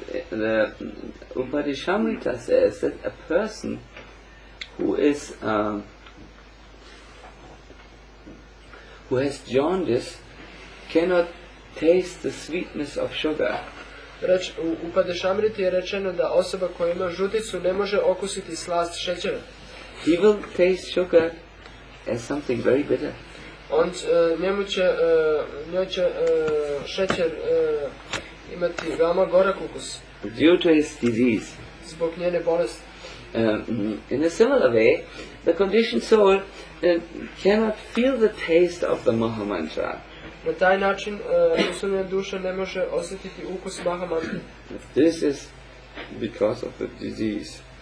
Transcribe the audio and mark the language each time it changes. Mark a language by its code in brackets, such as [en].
[en] The Upadishamrita says that a person who is who has jaundice cannot taste the sweetness of sugar. [sr] U Padešamriti je rečeno da osoba koja ima žuticu ne može okusiti slast šećera. [en] He will taste sugar as something very bitter. [sr] on će, njemu će, njoj će šećer imati veoma gorak ukus. [en] Due to his disease. [sr] Zbog njene bolesti. [en] In a similar way, the conditioned soul cannot feel the taste of the Maha Mantra. [sr] Na taj način usunjena duša ne može osjetiti ukus Maha Mantra. [en] This is because of the disease.